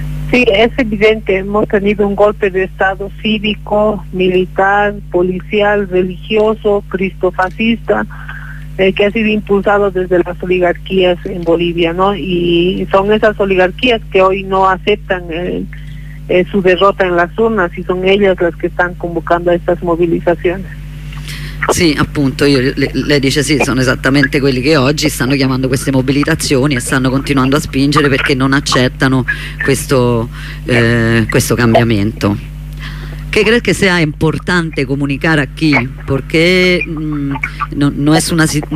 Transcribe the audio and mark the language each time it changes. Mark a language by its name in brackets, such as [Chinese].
[Spanish] Sí, es evidente, hemos tenido un golpe de Estado cívico, militar, policial, religioso, cristofascista, que ha sido impulsado desde las oligarquías en Bolivia, ¿no? Y son esas oligarquías que hoy no aceptan su derrota en las urnas, y son ellas las que están convocando a estas movilizaciones. [Italian] Sì, appunto, lei dice sì, sono esattamente quelli che oggi stanno chiamando queste mobilitazioni e stanno continuando a spingere perché non accettano questo cambiamento. [Spanish] ¿Qué crees que sea importante comunicar aquí? Porque no es una.